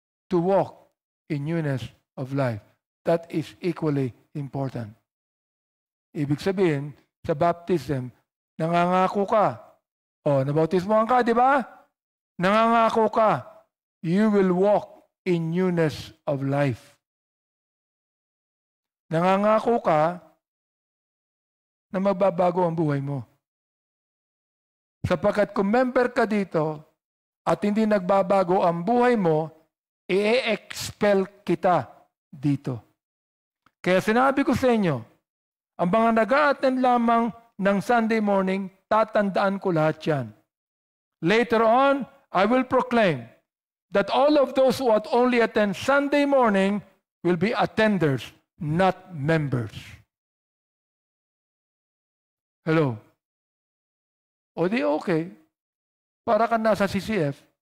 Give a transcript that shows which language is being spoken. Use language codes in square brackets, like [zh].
[en] To walk in newness of life. That is equally important. [tl] Ibig sabihin, sa baptism, nangangako ka. O, nabautismohan ka, di ba? Nangangako ka. [en] You will walk in newness of life. [tl] Nangangako ka na magbabago ang buhay mo. Sapagkat kung member ka dito at hindi nagbabago ang buhay mo, i-expel kita dito. Kaya sinabi ko sa inyo, ang mga nag-a-attend lamang ng Sunday morning, tatandaan ko lahat yan. [en] Later on, I will proclaim that all of those who only attend Sunday morning will be attenders, not members. [tl] Hello? O di okay, para ka nasa CCF.